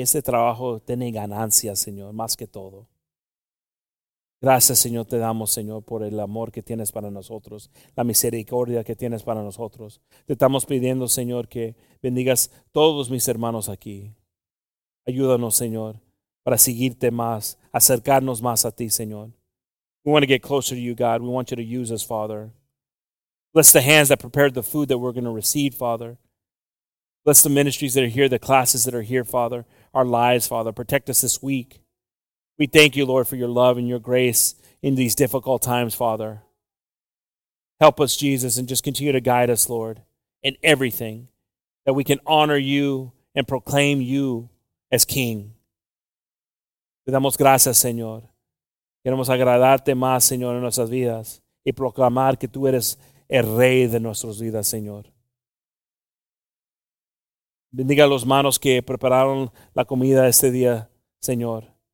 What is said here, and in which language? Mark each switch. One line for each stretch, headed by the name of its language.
Spanish: Este trabajo tiene ganancias, Señor, más que todo. Gracias, Señor, te damos, Señor, por el amor que tienes para nosotros, la misericordia que tienes para nosotros. Te estamos pidiendo, Señor, que bendigas todos mis hermanos aquí. Ayúdanos, Señor, para seguirte más, acercarnos más a ti, Señor.
English: We want to get closer to you, God. We want you to use us, Father. Bless the hands that prepared the food that we're going to receive, Father. Bless the ministries that are here, the classes that are here, Father. Our lives, Father. Protect us this week. We thank you, Lord, for your love and your grace in these difficult times, Father. Help us, Jesus, and just continue to guide us, Lord, in everything, that we can honor you and proclaim you as King.
Spanish: Te damos gracias, Señor. Queremos agradarte más, Señor, en nuestras vidas y proclamar que tú eres el Rey de nuestras vidas, Señor. Bendiga los manos que prepararon la comida este día, Señor.